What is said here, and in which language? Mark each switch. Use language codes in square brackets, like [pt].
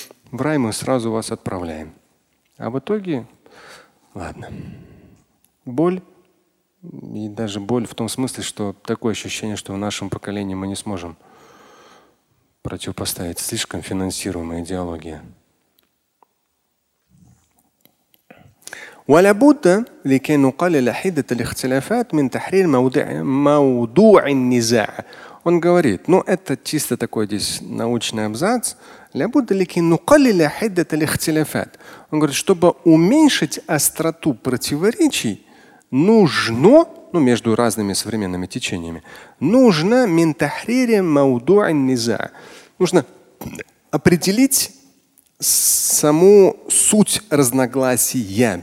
[ru] В рай мы сразу вас отправляем. А в итоге, ладно. Боль. И даже боль в том смысле, что такое ощущение, что в нашем поколении мы не сможем противопоставить. Слишком финансируемая идеология. [ar] ولابد لكي نقلل حدة الاختلافات من تحرير موضوع النزاع. [ru] Он говорит, ну это чисто такой здесь научный абзац. [ar] لابد لكي نقلل حدة الاختلافات. [ru] Он говорит, чтобы уменьшить остроту противоречий, нужно, ну между разными современными течениями, нужно [ar] من تحرير موضوع النزاع. [ru] Нужно определить саму суть разногласия.